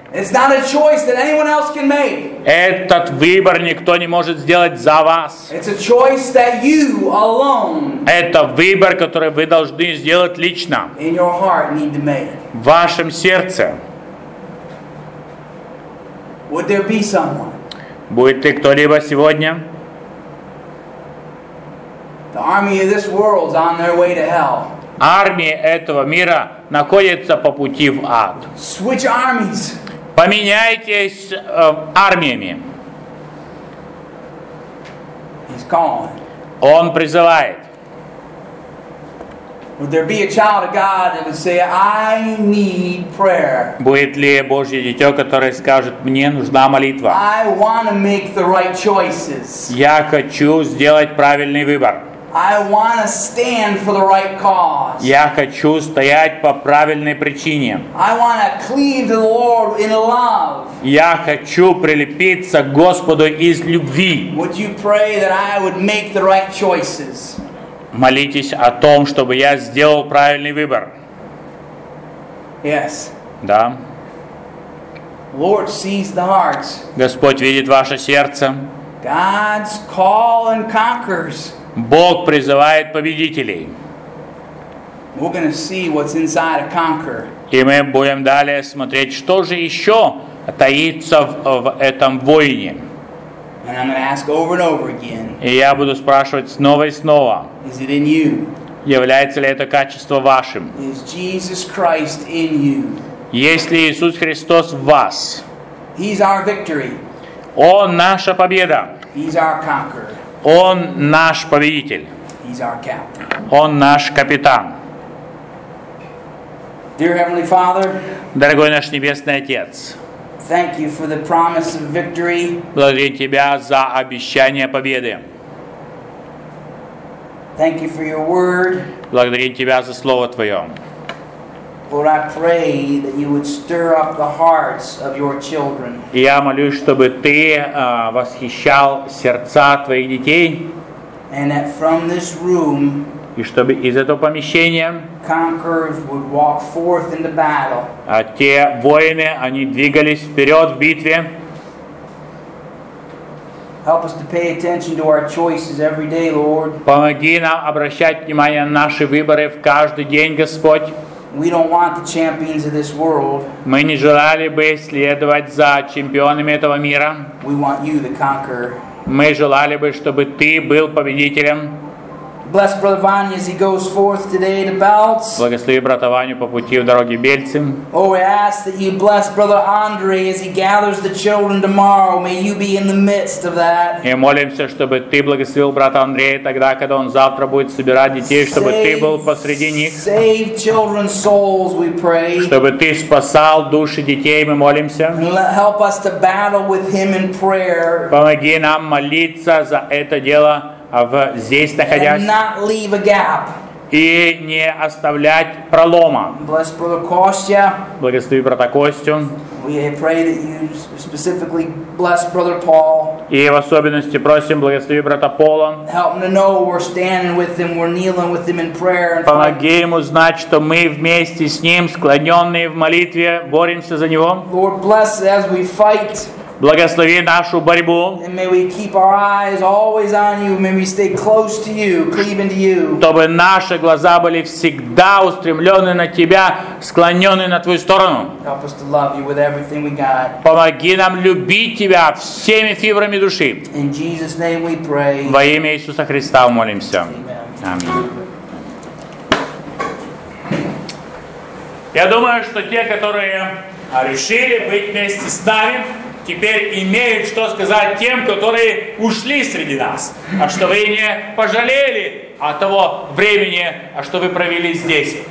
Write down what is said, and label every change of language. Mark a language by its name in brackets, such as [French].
[English] It's not a choice that anyone else can make. [Russian] Этот выбор никто не может сделать за вас. [English] It's a choice that you alone. [Russian] Это выбор, который вы должны сделать лично. [English] In your heart need to make. [Russian] В вашем сердце. [English] Would there be someone? [Russian] Будет ли кто-либо сегодня? [English] The army of this world is on their way to hell. [Russian] Армия этого мира находится по пути в ад. [English] Switch armies. [Russian] Поменяйтесь армиями. [English] He's calling. [Russian] Он призывает. [English] Would there be a child of God that would say, I need prayer? [Russian] Будет ли Божье дитё, которое скажет, мне нужна молитва? [English] I want to make the right choices. [Russian] Я хочу сделать правильный выбор. [English] I want to stand for the right cause. [Russian] Я хочу стоять по правильной причине. [English] I want to cleave to the Lord in love. [Russian] Я хочу прилепиться к Господу из любви. [English] Would you pray that I would make the right choices? [Russian] Молитесь о том, чтобы я сделал правильный выбор. [English] Yes. [Russian] Да. [English] Lord sees the hearts. [Russian] Господь видит ваше сердце. [English] God's call and conquers. [Russian] Бог призывает победителей. [English] We're gonna see what's inside a conqueror. [Russian] И мы будем далее смотреть, что же еще таится в этом воине. [English] And I'm gonna ask over and over again, [Russian] и я буду спрашивать снова и снова. [English] Is it in you? [Russian] Является ли это качество вашим? [English] Is Jesus Christ in you? [Russian] Есть ли Иисус Христос в вас? [English] He's our victory. [Russian] Он наша победа. [English] He's our conqueror. [Russian] Он наш победитель. [English] He's our captain. [Russian] Он наш капитан. [English] Dear Heavenly Father, [Russian] дорогой наш Небесный Отец, [English] thank you for the promise of victory. [Russian] Благодарю Тебя за обещание победы. [English] Thank you for your word. [Russian] Благодарю Тебя за Слово Твое. [English] Lord, I pray that you would stir up the hearts of your children. [Russian] Я молюсь, чтобы ты восхищал сердца твоих детей. [English] And that from this room, [Russian] и чтобы из этого помещения, [English] conquerors would walk forth into battle. [Russian] А те воины, они двигались вперед в битве. [English] Help us to pay attention to our choices every day, Lord. [Russian] Помоги нам обращать внимание на наши выборы в каждый день, Господь. [English] We don't want the champions of this world. [Russian] Мы не желали бы следовать за чемпионами этого мира. [English] We want you, the conqueror. [Russian] Мы желали бы, чтобы ты был победителем. [English] Bless Brother Vanya as he goes forth today to Belts. [Russian] Благослови брата Ваню по пути в дороге Бельцы. [English] Oh, we ask that you bless Brother Andre as he gathers the children tomorrow. May you be in the midst of that. [Russian] И молимся, чтобы ты благословил брата Андрея тогда, когда он завтра будет собирать детей, чтобы ты был посреди них. [English] Save children's souls, we pray. [Russian] Чтобы ты спасал души детей, мы молимся. [English] Help us to battle with him in prayer. [Russian] Помоги нам молиться за это дело. Здесь находясь, [English] and not leave a gap. [Russian] И не оставлять пролома. [English] Bless Brother Kostya. [Russian] Благослови брата Костю. [English] We pray that you specifically bless brother Paul. [Russian] И в особенности просим благослови брата Пола. [English] Help him to know we're standing with him, we're kneeling with him in prayer. [Russian] Помоги ему знать, что мы вместе с ним, склоненные в молитве, боремся за него. [English] Lord, bless as we fight. [Russian] Благослови нашу борьбу. [English] And may we keep our eyes always on you. May we stay close to you, cleaving to you. [Russian] Чтобы наши глаза были всегда устремлены на тебя, склоненные на твою сторону. [English] Help us to love you with everything we got. [Russian] Помоги нам любить тебя всеми фибрами души. [English] In Jesus' name we pray. [Russian] Во имя Иисуса Христа молимся. [English] Amen. [Russian] Я думаю, что те, которые решили быть вместе с нами, теперь имеют что сказать тем, которые ушли среди нас, а что вы не пожалели о того времени, а что вы провели здесь.